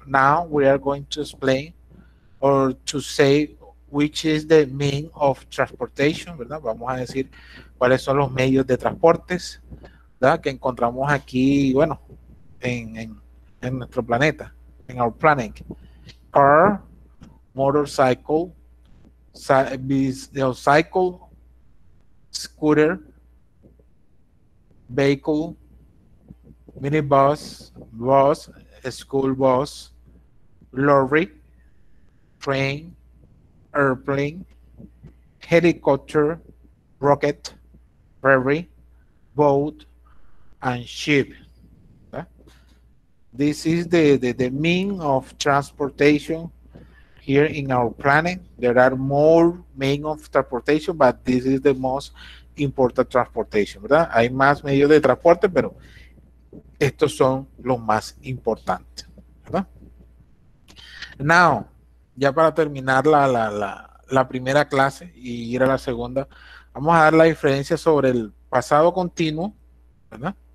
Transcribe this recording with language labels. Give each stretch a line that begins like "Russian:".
English: Now we are going to explain or to say which is the mean of transportation,
Spanish: ¿verdad? Vamos a decir cuáles son los medios de transportes, ¿verdad? Que encontramos aquí, bueno, en nuestro planeta, en
English: our planet. Car, motorcycle, cycle, scooter, vehicle, minibus, bus, school bus, lorry, train, airplane, helicopter, rocket, ferry, boat, and ship. Okay. This is the mean of transportation here in our planet. There are more means of transportation, but this is the most important transportation.
Spanish: ¿Verdad? Hay más medios de transporte, pero estos son los más importantes, ¿verdad?
English: Now,
Spanish: ya para terminar la primera clase y ir a la segunda, vamos a dar la diferencia sobre el pasado continuo, ¿verdad?